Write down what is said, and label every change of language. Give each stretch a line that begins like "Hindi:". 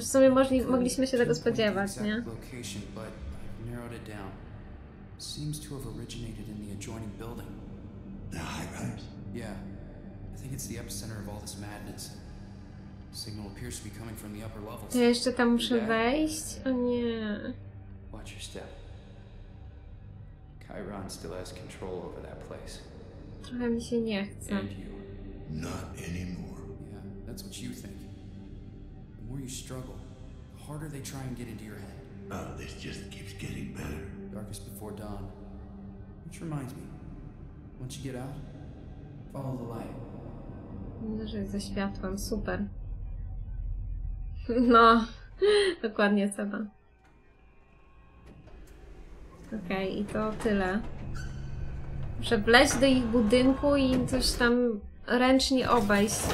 Polish: W sumie mogliśmy się tego spodziewać, nie?
English: Narrowed it down. Seems to have originated in the adjoining building. The high rise? Yeah. I think it's the epicenter of all this madness. Signal appears to be coming from the upper levels.
Polish: To ja jeszcze tam muszę wejść? O nie.
English: Watch your step. Chiron still has control over that place.
Polish: Trochę mi się nie chce.
English: And you. Not anymore. Yeah, that's what you think. The more you struggle, the harder they try and get into your head. Oh, this just keeps getting better. Darkest before dawn. Which reminds me, once you get out, follow the light.
Polish: Widzę, że jest ze światłem. Super. No, dokładnie trzeba. Okej, i to tyle. Muszę wleźć do ich budynku i im coś tam ręcznie obejść.